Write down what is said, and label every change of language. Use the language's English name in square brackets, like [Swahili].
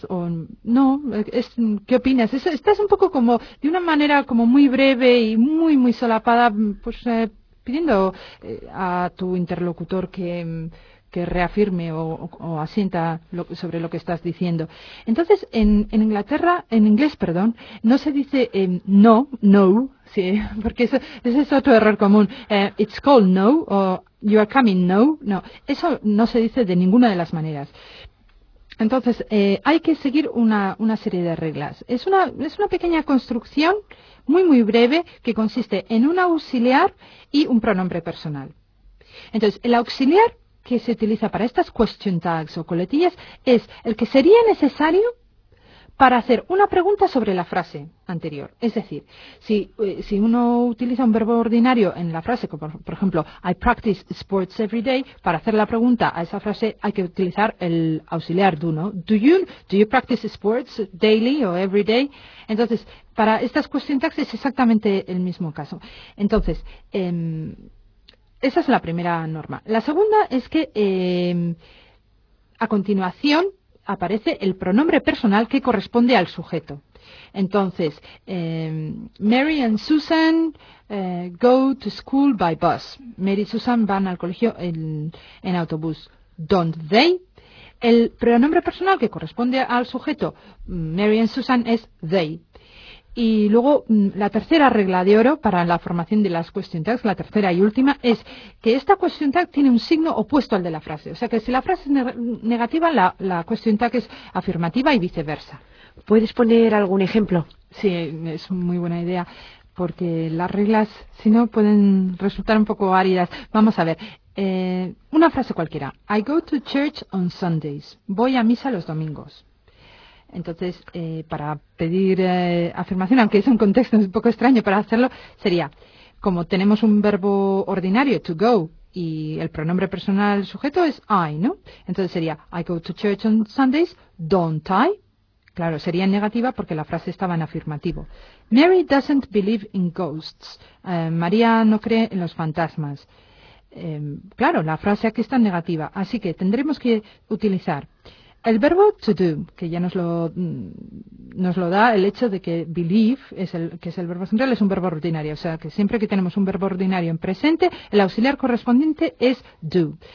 [Spanish] O no, ¿qué opinas? Estás un poco como, de una manera como muy breve y muy, muy solapada, pues pidiendo a tu interlocutor que reafirme o asienta sobre lo que estás diciendo. Entonces, en inglés, no se dice no, sí, porque ese es otro error común. [English] It's cold, no, o you are coming, no, no. [Spanish] Eso no se dice de ninguna de las maneras. Entonces, hay que seguir una serie de reglas. Es una pequeña construcción muy, muy breve que consiste en un auxiliar y un pronombre personal. Entonces, el auxiliar que se utiliza para estas question tags o coletillas es el que sería necesario para hacer una pregunta sobre la frase anterior. Es decir, si uno utiliza un verbo ordinario en la frase, como por ejemplo, [English] I practice sports every day, [Spanish] para hacer la pregunta a esa frase hay que utilizar el auxiliar do, ¿no? [English] Do you practice sports daily o every day? [Spanish] Entonces, para estas question tags es exactamente el mismo caso. Entonces, esa es la primera norma. La segunda es que a continuación aparece el pronombre personal que corresponde al sujeto. [English] Entonces, Mary and Susan go to school by bus. [Spanish] Mary y Susan van al colegio en autobús. [English] Don't they? [Spanish] El pronombre personal que corresponde al sujeto, Mary and Susan, es they. Y luego, la tercera regla de oro para la formación de las question tags, la tercera y última, es que esta question tag tiene un signo opuesto al de la frase. O sea, que si la frase es negativa, la question tag es afirmativa y viceversa. ¿Puedes poner algún ejemplo? Sí, es muy buena idea, porque las reglas, si no, pueden resultar un poco áridas. Vamos a ver. Una frase cualquiera. [English] I go to church on Sundays. [Spanish] Voy a misa los domingos. Entonces, para pedir afirmación, aunque es un contexto un poco extraño para hacerlo, sería, como tenemos un verbo ordinario, to go, y el pronombre personal sujeto es I, ¿no? Entonces sería, [English] I go to church on Sundays, don't I? [Spanish] Claro, sería negativa porque la frase estaba en afirmativo. [English] Mary doesn't believe in ghosts. [Spanish] María no cree en los fantasmas. Claro, la frase aquí está en negativa, así que tendremos que utilizar el verbo to do, que ya nos lo da el hecho de que believe, que es el verbo central, es un verbo ordinario. O sea, que siempre que tenemos un verbo ordinario en presente, el auxiliar correspondiente es do.